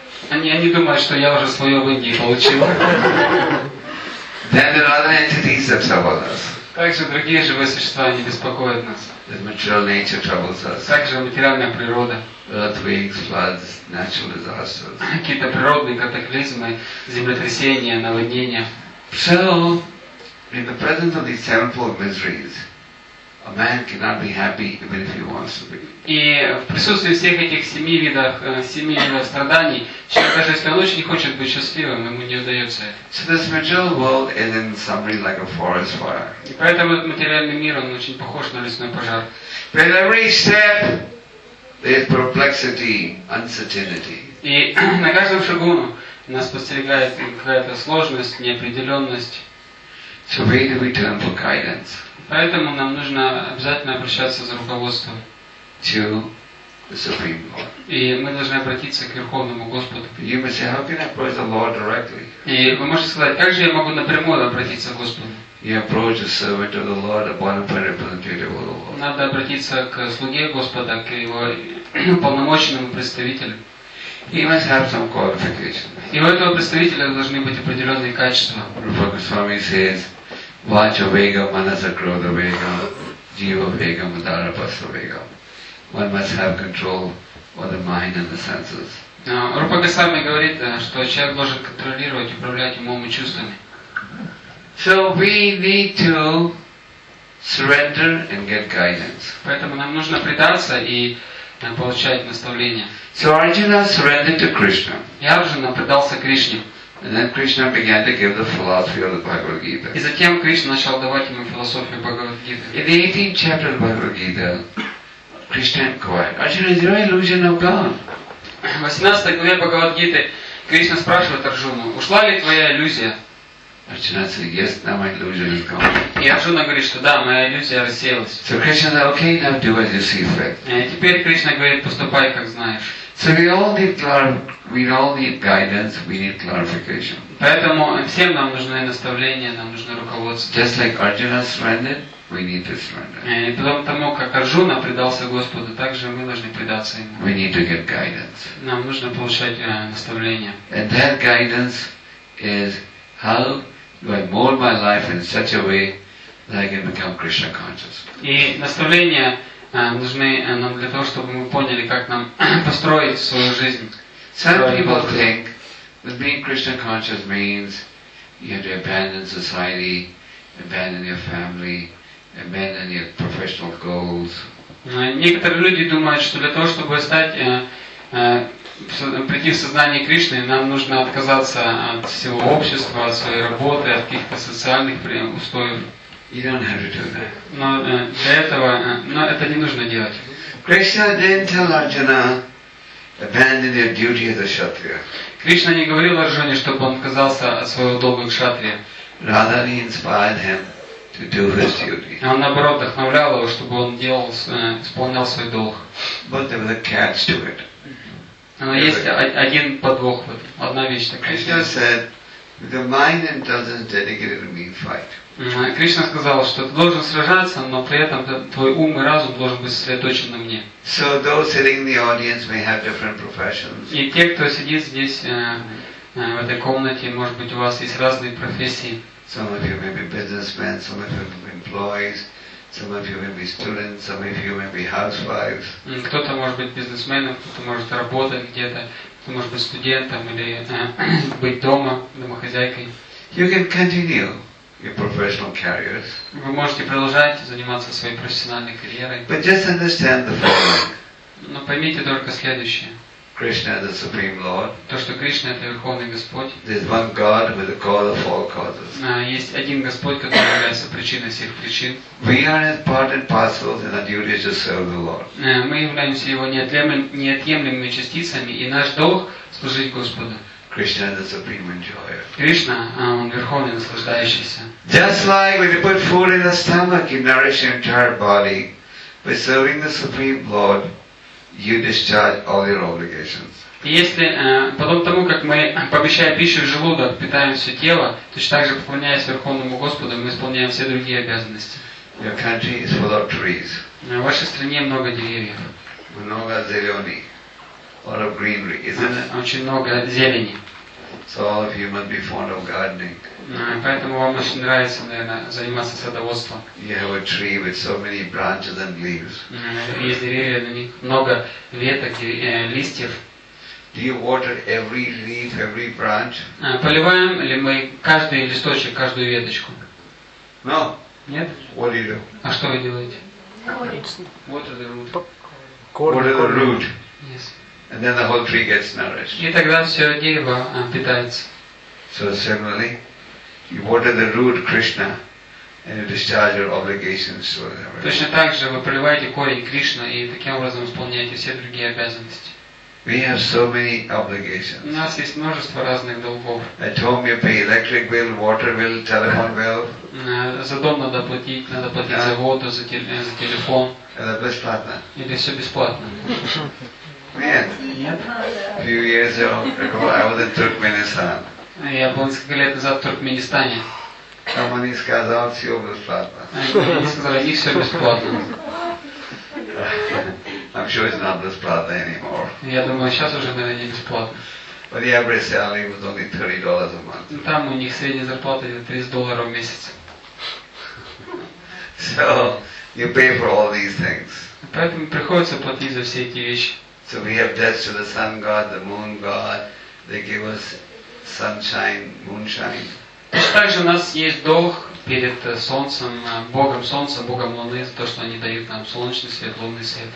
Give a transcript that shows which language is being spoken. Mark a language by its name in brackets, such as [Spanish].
[Russian] Они думают, что я уже свое в Индии получил. [English] Then there are other entities that trouble us. [Russian] Также другие живые существа не беспокоят нас. [English] The material nature troubles us. [Russian] Также материальная природа. [English] Earthquakes, floods, natural disasters. [Russian] Какие-то природные катаклизмы, землетрясения, наводнения. [English] So, in the presence of these sevenfold miseries, a man cannot be happy even if he wants to be. [Russian] И в присутствии всех этих семи видов страданий, человек, даже если он очень хочет быть счастливым, ему не удается это. [English] So this material world is in summary like a forest fire. [Russian] И поэтому материальный мир, он очень похож на лесной пожар. [English] But every step there's perplexity, uncertainty. [Russian] И на каждом шагу нас подстерегает какая-то сложность, неопределенность. [English] So where do we turn for guidance? [Russian] Поэтому нам нужно обязательно обращаться за руководством. [English] To the Supreme Lord. [Russian] И мы должны обратиться к Верховному Господу. [English] You may say, how can I approach the Lord directly? [Russian] И вы можете сказать, как же я могу напрямую обратиться к Господу? [English] You approach a servant of the Lord, a bona fide representative of the Lord. [Russian] Надо обратиться к слуге Господа, к его уполномоченному представителю. [English] He must have some qualifications. [Russian] И у этого представителя должны быть определенные качества. [English] Rupa Goswami says, Vacha Vega, Manasa Krodha Vega, Jiva Vega, Madhara Pasa Vega. One must have control over the mind and the senses. [Russian] Rupa Goswami говорит, что человек должен контролировать, управлять умом и чувствами. [English] So we need to surrender and get guidance. [Russian] Поэтому нам нужно предаться и получать наставление. [English] So Arjuna surrendered to Krishna. [Russian] Я уже предался Кришне. [English] And then Krishna began to give the philosophy of the Bhagavad Gita. [Russian] И затем Кришна начал давать ему философию Бхагавад Гиты. [English] In the 18th chapter of Bhagavad Gita, Krishna inquired, Arjuna, is your illusion of God? [Russian] В 18 главе Бхагавад Гиты Кришна спрашивает Арджуну, ушла ли твоя иллюзия? [English] Arjuna said, yes, now my illusion is gone. [Russian] И Арджуна говорит, что да, моя иллюзия рассеялась. [English] So Krishna said, okay, now do as you see fit. [Russian] И теперь Кришна говорит, поступай, как знаешь. [English] So we all need guidance, we need clarification. [Russian] Поэтому всем нам нужны наставления, нам нужно руководство. [English] Just like Arjuna surrendered, we need to surrender. [Russian] И потом тому, как Арджуна предался Господу, также мы должны предаться ему. [English] We need to get guidance. [Russian] Нам нужно получать наставления. [English] And that guidance is how do I mold my life in such a way that I can become Krishna conscious? [Russian] И наставления нужны нам для того, чтобы мы поняли, как нам построить свою жизнь. [English] Some people think that being Krishna conscious means you have to abandon society, abandon your family, abandon your professional goals. [Russian] Некоторые люди думают, что для того, чтобы прийти в сознание Кришны, нам нужно отказаться от всего общества, от своей работы, от каких-то социальных устоев. [English] You don't have to do that. [Russian] Но это не нужно делать. [English] Krishna didn't tell Arjuna, abandon your duty as a kshatriya. [Russian] Кришна не говорил Арджуне, чтобы он отказался от своего долга кшатрия. [English] Rather, he inspired him to do his duty. [Russian] Он наоборот вдохновлял его, чтобы он исполнял свой долг. [English] But there was a catch to it. [Russian] Но есть один подвох, одна вещь такая. [English] Krishna said, the mind doesn't dedicate to me fight. [Russian] Кришна сказал, что ты должен сражаться, но при этом твой ум и разум должен быть сосредоточен на мне. [English] So those sitting in the audience may have different professions. [Russian] И те, кто сидит здесь в этой комнате, может быть, у вас есть разные профессии. [English] Some of you may be businessmen, some of you may be employees, some of you may be students, some of you may be housewives. [Russian] Кто-то может быть бизнесменом, кто-то может работать где-то, кто может быть студентом или быть дома домохозяйкой. [English] You can continue your professional careers. [Russian] Вы можете продолжать заниматься своей профессиональной карьерой. [English] But just understand the following. [Russian] Но поймите только следующее. [English] Krishna the Supreme Lord. [Russian] То, что Кришна это верховный Господь. [English] There's one God who is the cause of all causes. [Russian] Есть один Господь, который является причиной всех причин. [English] We are part and parcel in our duty to serve the Lord. [Russian] Мы являемся его неотъемлемыми частицами, и наш долг служить Господу. [English] Krishna the supreme enjoyer. [Russian] Кришна, он верховный наслаждающийся. [English] Just like when you put food in the stomach, you nourish your entire body. By serving the Supreme Lord, you discharge all your obligations. [Russian] Если потом тому, как мы пообещая пищу в желудок, питаем все тело, точно так же, поклоняясь Верховному Господу, мы исполняем все другие обязанности. [English] Your country is full of trees. [Russian] В вашей стране много деревьев. Много зелени. [English] Lot of greenery, isn't it? [Russian] Очень много зелени. [English] So all of you must be fond of gardening. [Russian] Поэтому вам очень нравится, наверное, заниматься садоводством. [English] You have a tree with so many branches and leaves. [Russian] Есть деревья, на них много веток и листьев. [English] Do you water every leaf, every branch? [Russian] Поливаем ли мы каждый листочек, каждую веточку? [English] No. [Russian] Нет? [English] What do you do? [Russian] А что вы делаете? [English] Water the root. Yes. And then the whole tree gets nourished. [Russian] И тогда все дерево питается. [English] So similarly, you water the root Krishna, and you discharge your obligations to everyone. [Russian] Точно так же вы проливаете корень Кришна и таким образом исполняете все другие обязанности. [English] We have so many obligations. [Russian] У нас есть множество разных долгов. [English] At home you pay electric bill, water bill, telephone bill. [Russian] За дом надо платить за воду, за телефон. Это бесплатно. Или все бесплатно. Нет. [English] Few years ago, I was in Turkmenistan. [Russian] Я был несколько лет назад в Туркменистане. Там они сказали, все бесплатно. Они сказали, все бесплатно. [English] I'm sure it's not [Russian] бесплатно [English] anymore. [Russian] Я думаю, сейчас уже, наверное, не бесплатно. [English] But the average salary was only $30 a month. [Russian] Там у них средняя зарплата $30 в месяц. [English] So you pay for all these things. [Russian] Поэтому приходится платить за все эти вещи. [English] So we have debts to the sun god, the moon god. They give us sunshine, moonshine. [Russian] Также у нас есть долг перед солнцем, богом луны, то, что они дают нам солнечный свет, лунный свет.